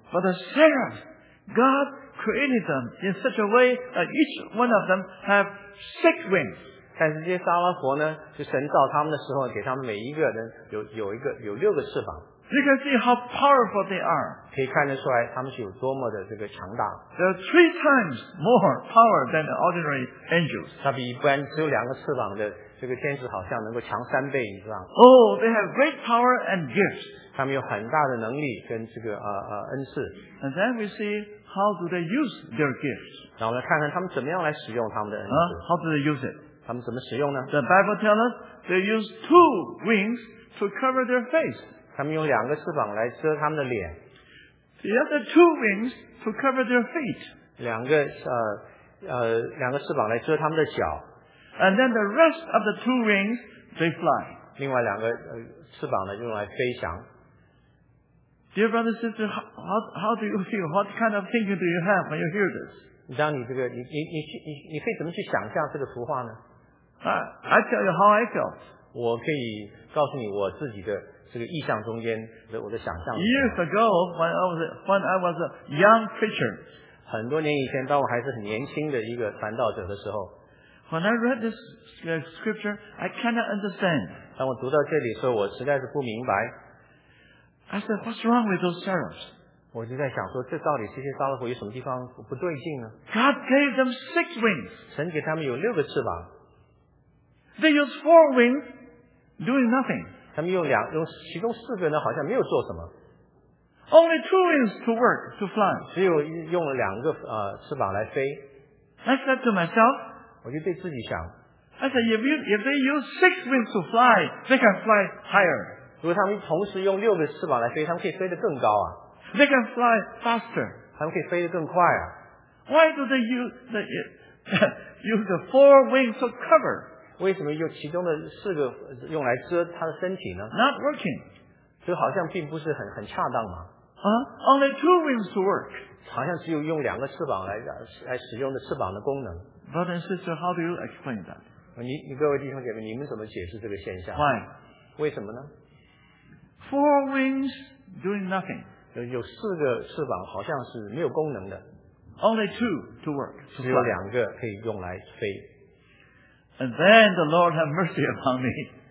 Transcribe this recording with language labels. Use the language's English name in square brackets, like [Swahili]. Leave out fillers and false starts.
[English] But the seraphs, God created them in such a way that each one of them have six wings. [Chinese] 但是这些沙拉伯呢，就神造他们的时候，给他们每一个人有六个翅膀。 [English] You can see how powerful they are. [Chinese] 可以看得出来，他们是有多么的这个强大。 [English] They're three times more power than the ordinary angels. [Chinese] 他比一般只有两个翅膀的这个天使，好像能够强3倍以上。Oh, [English] they have great power and gifts. [Chinese] 他们有很大的能力跟这个恩赐。 [English] And then we see how do they use their gifts. [Chinese] 然后来看看他们怎么样来使用他们的恩赐。 [English] How do they use it? [Chinese] 他们怎么使用呢? [English] The Bible tells us they use two wings to cover their face. [Chinese] 他们用两个翅膀来遮他们的脸。 [English] They have the two wings to cover their feet. [Chinese] 两个翅膀来遮他们的脚。 [English] And then the rest of the two wings, they fly. [Chinese] 另外两个翅膀呢，用来飞翔。 [English] Dear brother, sister, how do you feel? What kind of thinking do you have when you hear this? [Chinese] 你可以怎么去想象这个图画呢? [English] I tell you how I felt. [Chinese] 我可以告诉你我自己的这个意象中间的我的想象。 [English] Years ago, when I was a young preacher, [Chinese] 很多年以前，当我还是很年轻的一个传道者的时候， [English] when I read this scripture, I cannot understand. [Chinese] 当我读到这里的时候，我实在是不明白。 [English] I said, what's wrong with those seraphs? [Chinese] 我就在想说，这到底这些沙拉伯有什么地方不对劲呢？ [English] God gave them six wings. [Chinese] 神给他们有六个翅膀。 [English] They use four wings doing nothing. [Chinese] 他们用其中四个呢，好像没有做什么。 [English] Only two wings to work, to fly. [Chinese] 只有用了两个翅膀来飞。 [English] I said to myself, [Chinese] 我就对自己想， [English] I said, if they use six wings to fly, they can fly higher. [Chinese] 如果他们同时用六个翅膀来飞，他们可以飞得更高啊。 [English] They can fly faster. [Chinese] 他们可以飞得更快啊。 [English] Why do they use the four wings to cover? [Chinese] 为什么用其中的四个用来遮他的身体呢？ [English] Not working. [Chinese] 就好像并不是很恰当嘛。 [English] Only two wings to work. [Chinese] 好像只有用两个翅膀来使用的翅膀的功能。 [English] Brother and sister, how do you explain that? [Chinese] 各位弟兄姐妹，你们怎么解释这个现象？ [English] Why? [Chinese] 为什么呢？ [English] Four wings doing nothing. [Chinese] 有四个翅膀好像是没有功能的。 [English] Only two to work. [Chinese] 只有两个可以用来飞。 [English] And then the Lord have mercy upon me.